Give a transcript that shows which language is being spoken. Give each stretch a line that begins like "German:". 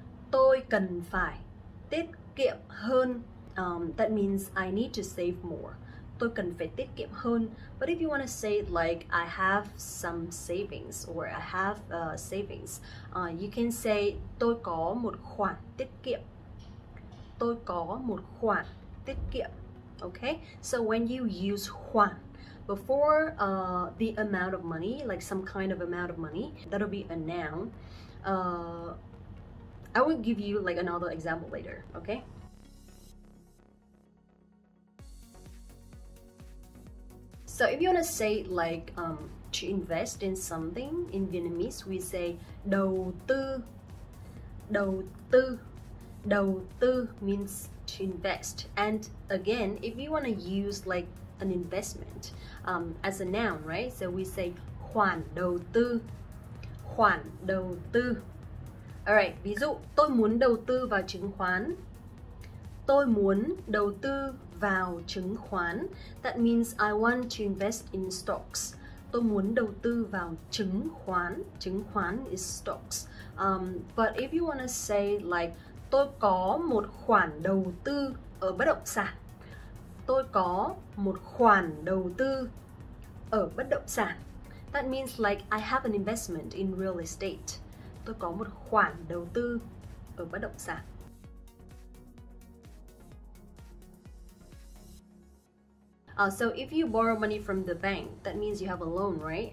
Vietnamese: Tôi cần phải tiết kiệm hơn.
English: That means I need to save more.
Vietnamese: Tôi cần phải tiết kiệm hơn.
English: But if you want to say like I have some savings or I have savings, you can say
Vietnamese: tôi có một khoản tiết kiệm. Tôi có một khoản tiết kiệm.
English: Okay, so when you use khoản before the amount of money, like some kind of amount of money, that'll be a noun. I will give you like another example later, okay? So if you want to say like to invest in something in Vietnamese, we say đầu tư. Đầu tư. Đầu tư means to invest. And again, if you want to use like an investment as a noun, right? So we say
Vietnamese: khoản đầu tư. Khoản đầu tư. All right, ví dụ tôi muốn đầu tư vào chứng khoán. Tôi muốn đầu tư vào chứng khoán.
English: That means I want to invest in stocks.
Vietnamese: Tôi muốn đầu tư vào chứng khoán. Chứng khoán
English: is stocks. But if you want to say like
Vietnamese: tôi có một khoản đầu tư ở bất động sản. Tôi có một khoản đầu tư ở bất động sản.
English: That means like I have an investment in real estate.
Vietnamese: Tôi có một khoản đầu tư ở bất động sản.
English: So if you borrow money from the bank, that means you have a loan, right?